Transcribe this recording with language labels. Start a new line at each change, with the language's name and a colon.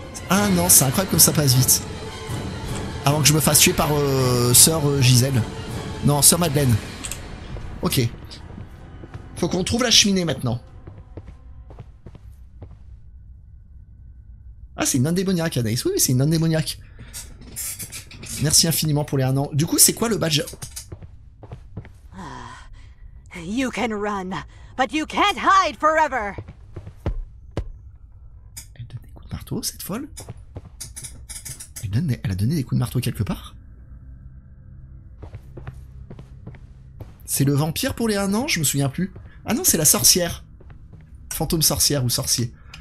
French: 1 an, c'est incroyable comme ça passe vite. Avant que je me fasse tuer par Sœur Gisèle. Non, Sœur Madeleine. Ok. Faut qu'on trouve la cheminée maintenant. Ah, c'est une nonne démoniaque, Anaïs. Oui, c'est une nonne démoniaque. Merci infiniment pour les 1 an. Du coup, c'est quoi le badge?
English: You can run, but you can't hide forever.
French: Elle donne des coups de marteau, cette folle. Elle a donné des coups de marteau quelque part. C'est le vampire pour les 1 an, je me souviens plus. Ah non, c'est la sorcière. Fantôme sorcière ou sorcier.